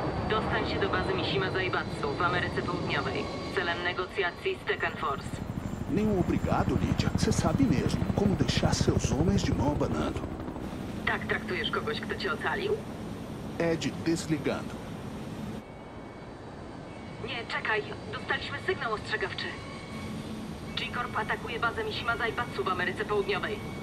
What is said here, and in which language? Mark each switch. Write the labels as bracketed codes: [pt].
[pl] Dostań się do bazy Mishima Zaibatsu w Ameryce Południowej, celem negocjacji z Tekken Force. [pt] Nenhum obrigado, Lydia. Você sabe mesmo como deixar seus homens de mão abanando. [pl] Tak traktujesz kogoś, kto cię ocalił? [pt] Eddie, desligando. [pl] Nie, czekaj. Dostaliśmy sygnał ostrzegawczy. G-Corp atakuje bazę Mishima Zaibatsu w Ameryce Południowej.